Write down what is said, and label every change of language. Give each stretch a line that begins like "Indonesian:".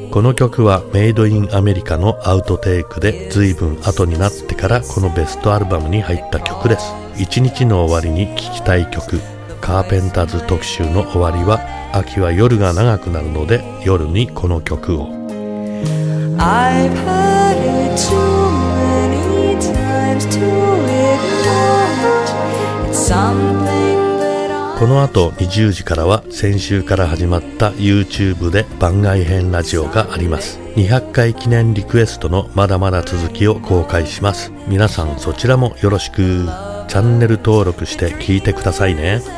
Japanese: この曲はメイドインアメリカのアウトテイクで、随分後になってからこのベストアルバムに入った曲です。一日の終わりに聴きたい曲、カーペンターズ特集の終わりは、秋は夜が長くなるので夜にこの曲を。
English: I've heard it too many times to ignore it's something。
Japanese: この後20時からは先週から始まった YouTube で番外編ラジオがあります。 200回記念リクエストのまだまだ続きを公開します。皆さんそちらもよろしく。チャンネル登録して聞いてくださいね。